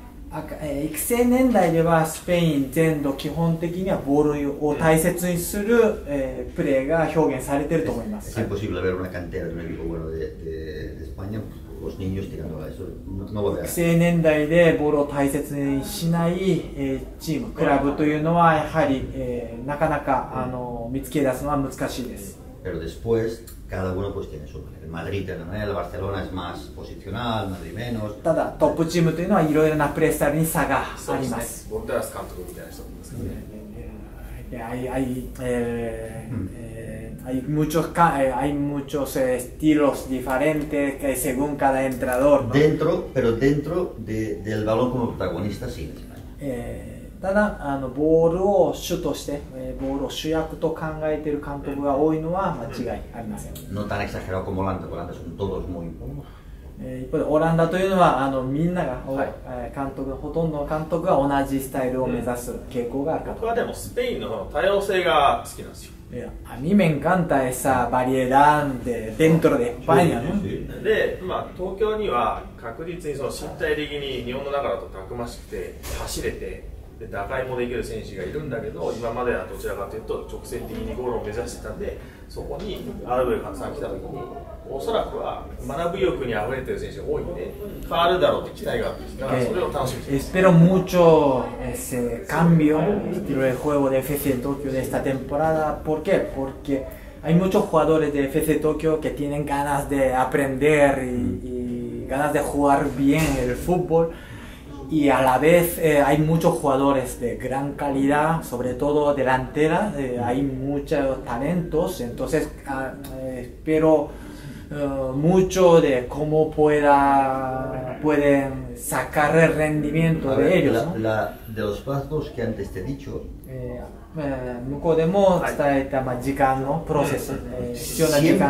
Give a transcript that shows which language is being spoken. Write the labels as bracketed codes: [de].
[ja] 育成年代ではスペイン全土基本的にはボールを大切にする、プレーが表現されていると思います。 [es] Es imposible ver una cantera de un equipo bueno de España los niños tirando a eso. [ja] 育成年代でボールを大切にしない、チームクラブというのはやはり、なかなか、見つけ出すのは難しいです。 [es] Pero después cada uno pues tiene su manera. Madrid de una manera, el Barcelona es más posicional, Madrid menos. [ja] ただ、トップチームというのはいろいろなプレースタイルに差があります。そうですね。ボンテラス監督みたいな人もいますけどね。 [es] Hay muchos, estilos diferentes que según cada entrenador, ¿no? Dentro, pero dentro de, del balón como protagonista, sí. [ja] ただボールを主としてボールを主役と考えている監督が多いのは間違いありません。 [es] No tan exagerado como Holanda. Holanda son todos muy importantes. [ja] オランダというのはみんなが、はい、監督ほとんどの監督が同じスタイルを目指す傾向があるかと。僕はでもスペインの多様性が好きなんですよ。 [es] A mí me encanta esa variedad de dentro de España, ¿no? [ja] De, まあ東京には確実にその身体的に日本の中だとたくましくて走れて。で打開もできる選手がいるんだけど、今まではどちらかというと直線的にゴールを目指してたんで、そこにアルベルカさん来た時におそらくは学ぶ意欲にあふれてる選手が多いんで変わるだろうって期待があって、だからそれを楽しみにしてます。 [es] Espero mucho ese cambio estilo de juego de FC Tokyo de esta temporada. ¿Por qué? Porque hay muchos jugadores de FC Tokyo que tienen ganas de aprender y ganas de jugar bien el fútbol. Y a la vez hay muchos jugadores de gran calidad, sobre todo delantera, hay muchos talentos, entonces espero mucho de cómo pueden sacar el rendimiento de ellos. De los pasos que antes te he dicho. [ja] 向こうでも伝えた時間のプロセス、必要な時間。